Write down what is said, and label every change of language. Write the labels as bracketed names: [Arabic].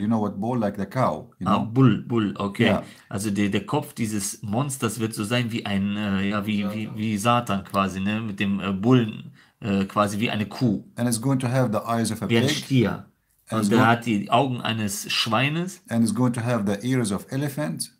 [English] You know what bull, like the cow. You know? Ah, bull, okay. Yeah. [German] Also der Kopf dieses Monsters wird so sein wie ein, wie Satan quasi, ne? Mit dem Bullen, quasi wie eine Kuh. [English] And it's going to have the eyes of a pig. [German] Wie ein Stier. Und der hat die Augen eines Schweines. [English] And it's going to have the ears of elephants.